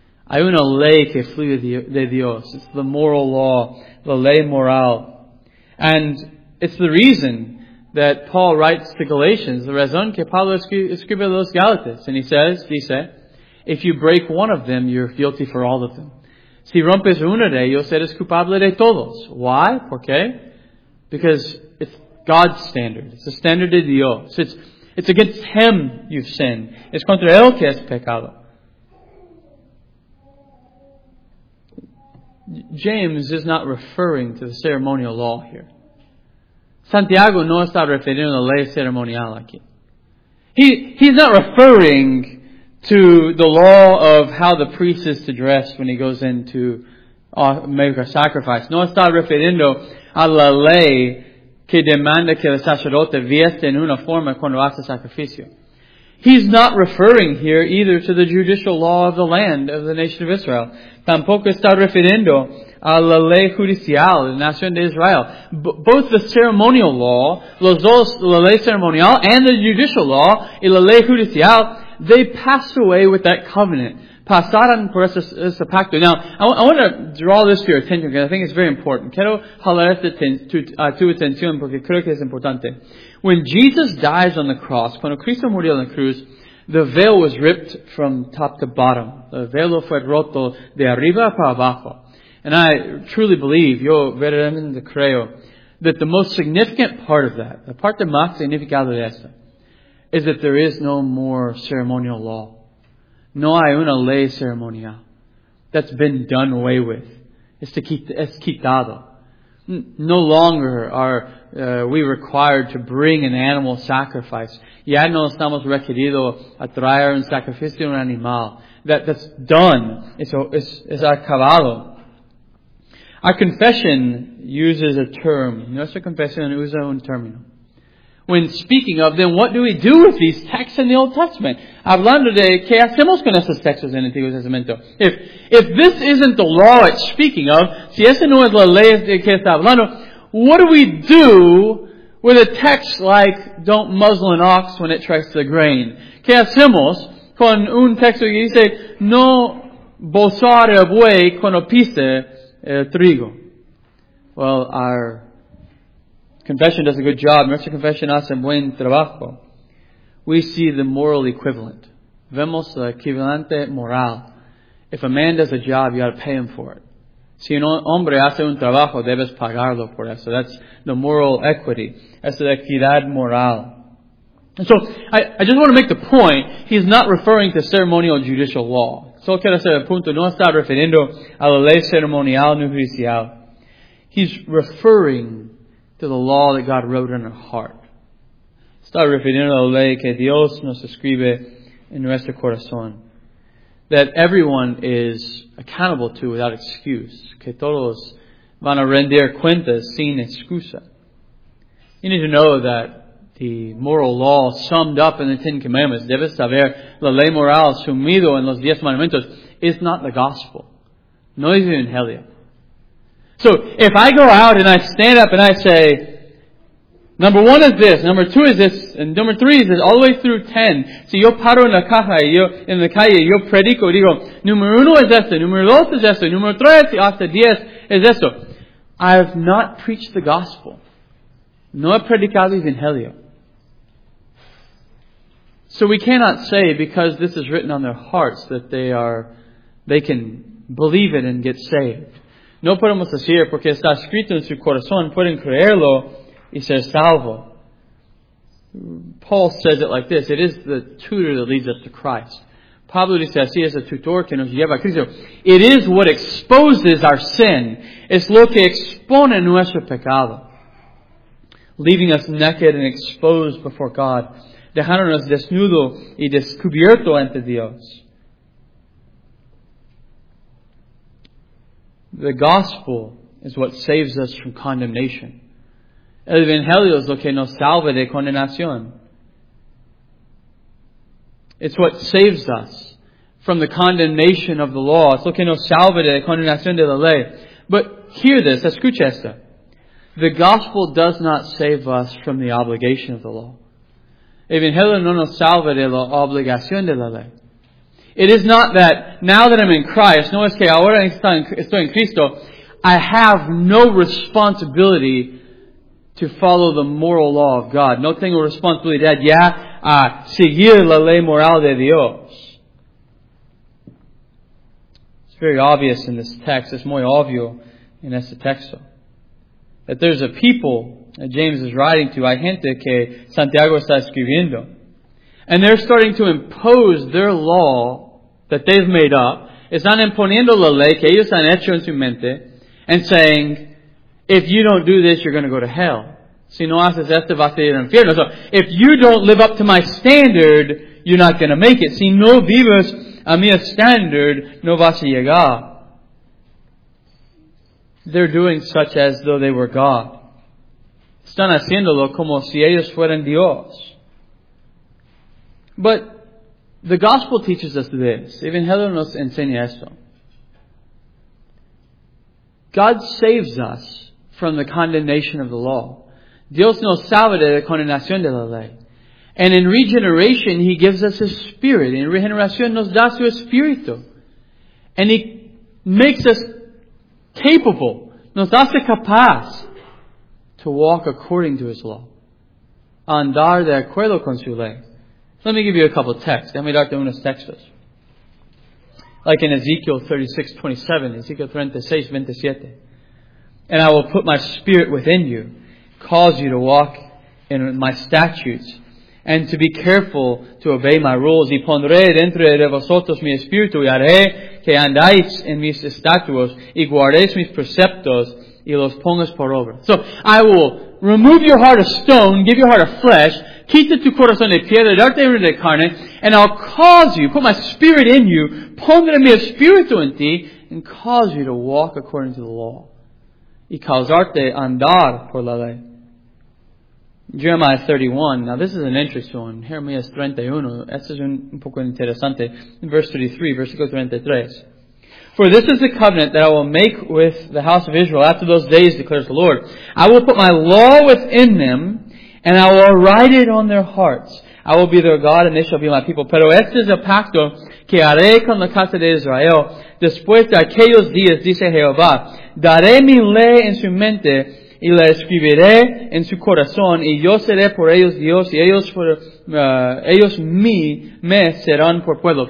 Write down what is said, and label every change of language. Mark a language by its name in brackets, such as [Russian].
[Spanish] Hay una ley que fluye de Dios. [English] It's the moral law. The [Spanish] ley moral. [English] And it's the reason that Paul writes to Galatians, the [Spanish] razón que Pablo escribe a los Galatas. [English] And he says, dice, if you break one of them, you're guilty for all of them. [Spanish] Si rompes uno de ellos, eres culpable de todos. [English] Why? [Spanish] ¿Por qué? [English] Because it's God's standard. It's the standard [Spanish] de Dios. [English] It's against Him you've sinned. [Spanish] Es contra Él que es pecado. [English] James is not referring to the ceremonial law here. [Spanish] Santiago no está refiriendo a la ley ceremonial aquí. [English] He's not referring to the law of how the priest is to dress when he goes in to make a sacrifice. [Spanish] No está refiriendo a la ley que demanda que el sacerdote vieste en una forma cuando hace sacrificio. [English] He's not referring here either to the judicial law of the land of the nation of Israel. [Spanish] Tampoco está refiriendo a la ley judicial de la nación de Israel. [English] Both the ceremonial law, [Spanish] los dos, la ley ceremonial [English] and the judicial law [Spanish] y la ley judicial, [English] they passed away with that covenant. [Spanish] Pasaron por ese pacto. [English] Now, I want to draw this to your attention because I think it's very important. [Spanish] Quiero jalar tu atención porque creo que es importante. [English] When Jesus dies on the cross, [Spanish] cuando Cristo murió en la cruz, [English] the veil was ripped from top to bottom. The [Spanish] velo fue roto de arriba para abajo. [English] And I truly believe, [Spanish] yo verdaderamente creo, [English] that the most significant part of that, the [Spanish] parte más significada de eso, [English] is that there is no more ceremonial law. [Spanish] No hay una ley ceremonial. [English] That's been done away with. [Spanish] Es quitado. [English] No longer are we required to bring an animal sacrifice. [Spanish] Ya no estamos requeridos a traer un sacrificio a un animal. [English] That's done. [Spanish] Es acabado. [English] Our confession uses a term. [Spanish] Nuestra confesión usa un término. [English] When speaking of them, what do we do with these texts in the Old Testament? [Spanish] Hablando de qué hacemos con estos textos en el Antiguo Testamento. [English] If this isn't the law it's speaking of, [Spanish] si esa no es la ley de que está hablando, [English] what do we do with a text like don't muzzle an ox when it tracks the grain? [Spanish] Qué hacemos con un texto que dice no bolsar el buey cuando pise el trigo? [English] Well, our confession does a good job. [Spanish] Nuestra confession hace buen trabajo. [English] We see the moral equivalent. [Spanish] Vemos el equivalente moral. [English] If a man does a job, you got to pay him for it. [Spanish] Si un hombre hace un trabajo, debes pagarlo por eso. [English] That's the moral equity. [Spanish] Es la equidad moral. [English] And so, I just want to make the point. He's not referring to ceremonial judicial law. [Spanish] Solo quiero hacer el punto. No está refiriendo a la ley ceremonial ni judicial. [English] He's referring to the law that God wrote in our heart. [Spanish] Está refiriendo a la ley que Dios nos escribe en nuestro corazón. [English] That everyone is accountable to without excuse. [Spanish] Que todos van a render cuentas sin excusa. [English] You need to know that the moral law summed up in the Ten Commandments, [Spanish] debes saber la ley moral sumido en los diez mandamientos, [English] is not the gospel. [Spanish] No es el evangelio. [English] So, if I go out and I stand up and I say, number one is this, number two is this, and number three is this, all the way through 10. [Spanish] Si yo paro en la caja, en la calle, yo predico, digo, número uno es esto, número dos es esto, número tres hasta diez es esto. [English] I have not preached the gospel. [Spanish] No he predicado el evangelio. [English] So we cannot say, because this is written on their hearts, that they can believe it and get saved. [Spanish] No podemos decir, porque está escrito en su corazón, pueden creerlo y ser salvo. [English] Paul says it like this, it is the tutor that leads us to Christ. [Spanish] Pablo dice así, es el tutor que nos lleva a Cristo. [English] It is what exposes our sin. [Spanish] Es lo que expone nuestro pecado. [English] Leaving us naked and exposed before God. [Spanish] Dejándonos desnudo y descubierto ante Dios. [English] The gospel is what saves us from condemnation. [Spanish] El Evangelio es lo que nos salva de condenación. [English] It's what saves us from the condemnation of the law. [Spanish] Es lo que nos salva de condenación de la ley. [English] But hear this, [Spanish] escucha esto. [English] The gospel does not save us from the obligation of the law. [Spanish] El Evangelio no nos salva de la obligación de la ley. [English] It is not that now that I'm in Christ, [Spanish] no es que ahora estoy en Cristo, [English] I have no responsibility to follow the moral law of God. [Spanish] No tengo responsabilidad ya a seguir la ley moral de Dios. [English] It's very obvious in this text. It's [Spanish] muy obvio en este texto. [English] That there's a people that James is writing to. [Spanish] Hay gente que Santiago está escribiendo. [English] And they're starting to impose their law that they've made up. [Spanish] Están imponiendo la ley que ellos han hecho en su mente. [English] And saying, if you don't do this, you're going to go to hell. [Spanish] Si no haces esto, vas a ir al infierno. [English] So, if you don't live up to my standard, you're not going to make it. [Spanish] Si no vives a mi standard, no vas a llegar. [English] They're doing such as though they were God. [Spanish] Están haciéndolo como si ellos fueran Dios. [English] But the gospel teaches us this. [Spanish] Evangelio nos enseña esto. [English] God saves us from the condemnation of the law. [Spanish] Dios nos salva de la condenación de la ley. [English] And in regeneration, He gives us His Spirit. [Spanish] En regeneración nos da su Espíritu. [English] And He makes us capable. [Spanish] Nos hace capaz [English] to walk according to His law. [Spanish] Andar de acuerdo con su ley. [English] Let me give you a couple of texts. Let me [Spanish] darte unos textos. [English] Like in Ezekiel 36:27. And I will put my Spirit within you, cause you to walk in my statutes, and to be careful to obey my rules. [Spanish] Y pondré dentro de vosotros mi Espíritu, y haré que andáis en mis estatutos, y guardéis mis preceptos, y los pongas por obra. [English] So, I will remove your heart of stone, give your heart of flesh, [Spanish] quita tu corazón de piedra, darte una de carne, [English] and I'll cause you, put my Spirit in you, [Spanish] pondré mi Espíritu en ti, [English] and cause you to walk according to the law. [Spanish] Y causarte andar por la ley. Jeremiah 31. [English] Now this is an interesting one. Jeremiah 31. [Spanish] Este es un poco interesante. [English] Verse 33. For this is the covenant that I will make with the house of Israel after those days, declares the Lord. I will put my law within them, and I will write it on their hearts. I will be their God, and they shall be my people. [Spanish] Pero este es el pacto que haré con la casa de Israel. Después de aquellos días, dice Jehová, daré mi ley en su mente y la escribiré en su corazón y yo seré por ellos Dios y ellos me serán por pueblo.